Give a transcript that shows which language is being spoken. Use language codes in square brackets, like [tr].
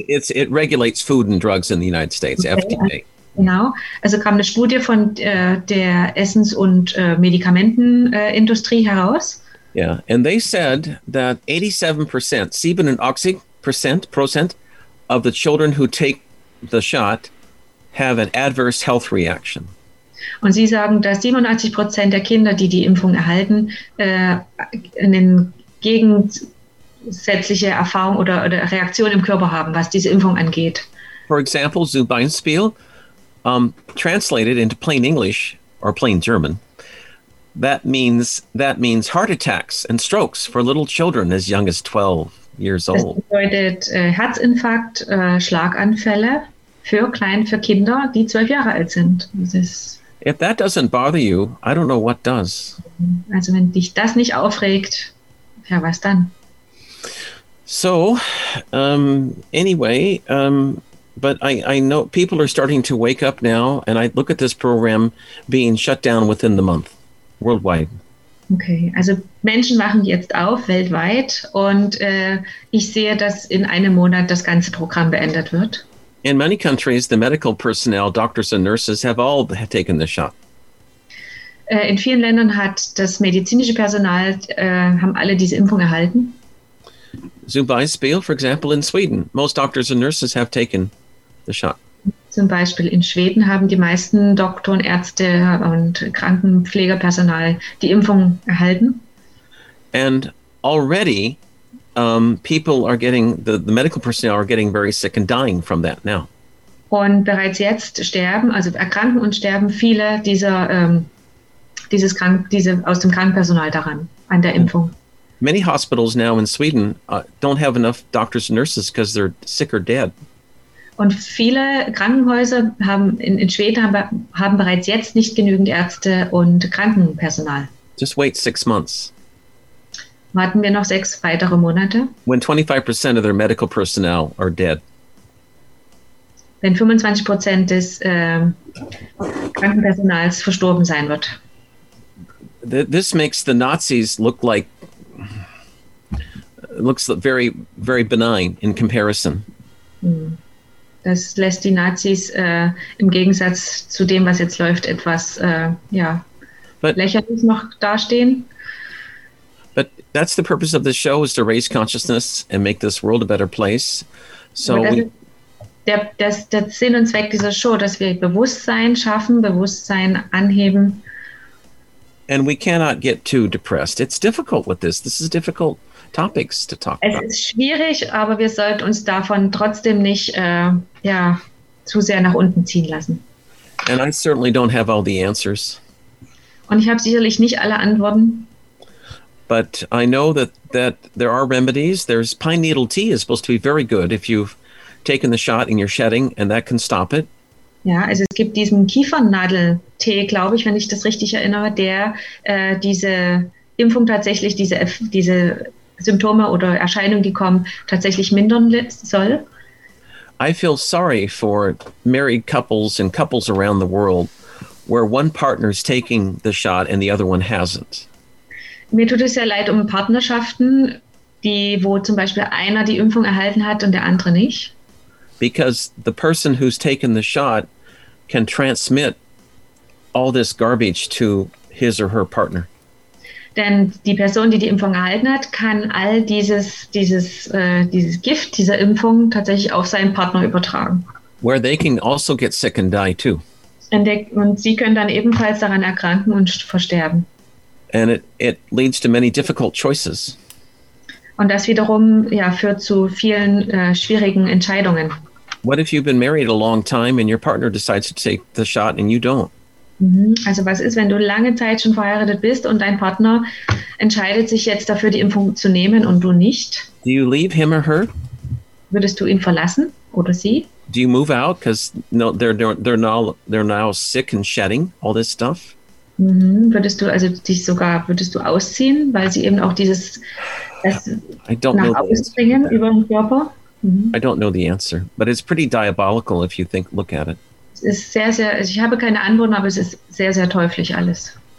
[en] It regulates food and drugs in the United States, okay, FDA. [de] Genau. Also kam eine Studie von der Essens- und Medikamentenindustrie heraus. [en] Yeah, and they said that 87%, 87% of the children who take the shot have an adverse health reaction. [de] Und sie sagen, dass 87% der Kinder, die die Impfung erhalten, eine gegensätzliche Erfahrung oder Reaktion im Körper haben, was diese Impfung angeht. [en] For example, Zubeinspiel, translated into plain English or plain German, that means heart attacks and strokes for little children as young as 12 years old. [de] Das bedeutet Herzinfarkt, Schlaganfälle für Kinder, die 12 Jahre alt sind. Das ist... [en] If that doesn't bother you, I don't know what does. [de] Also wenn dich das nicht aufregt, ja, was dann? [en] So, I know people are starting to wake up now, and I look at this program being shut down within the month, worldwide. [de] Okay, also Menschen machen jetzt auf, weltweit, und ich sehe, dass in einem Monat das ganze Programm beendet wird. [en] In many countries, the medical personnel, doctors and nurses, have all taken the shot. [de] In vielen Ländern hat das medizinische Personal haben alle diese Impfung erhalten. Zum Beispiel, [en] for example, in Sweden, most doctors and nurses have taken the shot. [de] Zum Beispiel in Schweden haben die meisten Doktoren, Ärzte und Krankenpflegerpersonal die Impfung erhalten. [en] And already. People are getting, the medical personnel are getting very sick and dying from that now. [de] Und bereits jetzt sterben, also erkranken und sterben viele dieser, diese aus dem Krankenpersonal daran, an der Impfung. [en] Many hospitals now in Sweden don't have enough doctors and nurses because they're sick or dead. [de] Und viele Krankenhäuser haben in Schweden haben bereits jetzt nicht genügend Ärzte und Krankenpersonal. [en] Just wait 6 months. [de] Warten wir noch 6 weitere Monate. [en] When 25% of their medical personnel are dead. [de] Wenn 25% des Krankenpersonals verstorben sein wird. [en] This makes the Nazis looks very, very benign in comparison. [de] Das lässt die Nazis im Gegensatz zu dem, was jetzt läuft, etwas lächerlich noch dastehen. [en] But that's the purpose of this show, is to raise consciousness and make this world a better place. [de] So der Sinn und Zweck dieser Show, dass wir Bewusstsein schaffen, Bewusstsein anheben. [en] And we cannot get too depressed. It's difficult with this. This is difficult topics to talk about. [de] Es ist schwierig, aber wir sollten uns davon trotzdem nicht zu sehr nach unten ziehen lassen. [en] And I certainly don't have all the answers. [de] Und ich habe sicherlich nicht alle Antworten. [en] But I know that there are remedies. There's pine needle tea is supposed to be very good if you've taken the shot and you're shedding, and that can stop it. [de] Ja, also es gibt diesen Kiefernadeltee, glaube ich, wenn ich das richtig erinnere, der diese Impfung tatsächlich, diese Symptome oder Erscheinungen, die kommen, tatsächlich mindern soll. [en] I feel sorry for married couples and couples around the world where one partner is taking the shot and the other one hasn't. [de] Mir tut es sehr leid um Partnerschaften, wo zum Beispiel einer die Impfung erhalten hat und der andere nicht. [en] because the person who's taken the shot can transmit all this garbage to his or her partner. [de] Denn die Person, die die Impfung erhalten hat, kann all dieses Gift dieser Impfung tatsächlich auf seinen Partner übertragen. [en] Where they can also get sick and die too. [de] Und sie können dann ebenfalls daran erkranken und versterben. [en] And it leads to many difficult choices. [de] Und das wiederum führt zu vielen schwierigen Entscheidungen. [en] What if you've been married a long time and your partner decides to take the shot and you don't? [de] Also was ist, wenn du lange Zeit schon verheiratet bist und dein Partner entscheidet sich jetzt dafür, die Impfung zu nehmen und du nicht? [en] Do you leave him or her? [de] Würdest du ihn verlassen oder sie? [en] Do you move out because no, they're now sick and shedding all this stuff? [de] Würdest du ausziehen, weil sie eben auch dieses ausbringen über den Körper? [en] I don't know the answer, but it's pretty diabolical if you think look at it. [de] Ist sehr, sehr, ich habe keine Antworten, aber es ist sehr, sehr teuflisch alles.